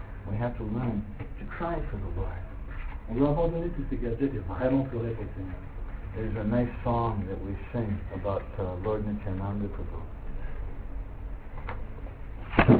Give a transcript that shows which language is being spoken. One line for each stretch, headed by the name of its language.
English: We have to learn to cry for the Lord.
French: On doit abandonner tous ces gadgets et vraiment pleurer pour le Seigneur.
English: There's a nice song that we sing about Lord Nityananda Prabhu.